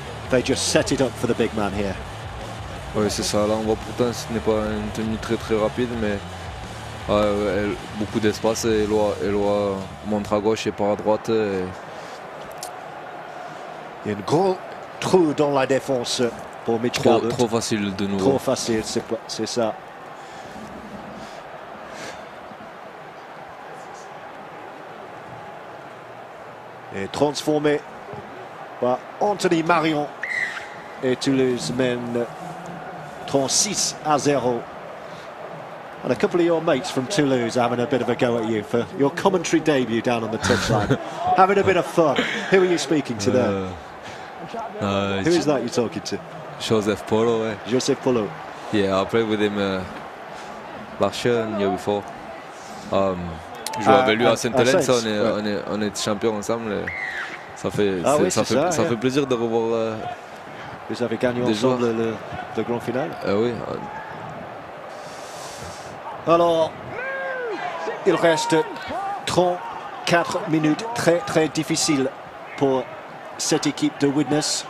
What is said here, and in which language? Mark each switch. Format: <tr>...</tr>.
<en>They just set it up for the big man here.</en> <fr>Oui, c'est ça. Là, on voit pourtant ce n'est pas une tenue très très rapide, mais elle, beaucoup d'espace. Et Eloi montre à gauche et part à droite. Et... Il y a un gros trou dans la défense pour Mitch Garbutt. Trop facile de nouveau. Trop facile, c'est ça. Et transformé par Anthony Marion. Et Toulouse mène 6-0.</fr> <en>And a couple of your mates from Toulouse having a bit of a go at you for your commentary debut down on the touchline. Having a bit of fun. Who are you speaking to there? Who is that you're talking to? Joseph Polo. Eh? Joseph Polo. Yeah, I played with him last year and the year before.</en> <fr>Jouais avec lui à Saint-Hélène, on est champions ensemble. Ça fait plaisir de revoir. Vous avez gagné ensemble le grand final. Oui. Alors, il reste 34 minutes très très difficiles pour cette équipe de Widnes.</fr>